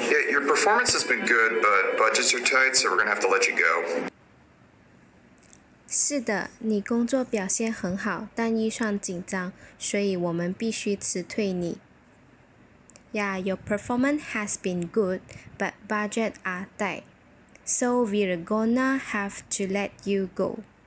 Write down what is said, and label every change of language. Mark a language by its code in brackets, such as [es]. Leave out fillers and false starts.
[en] your performance has been good, but budgets are tight, so we're going to have to let you go. [zh] 是的，你工作表现很好，但预算紧张，所以我们必须辞退你。 [en] Yeah, your performance has been good, but budgets are tight, so we're going to have to let you go.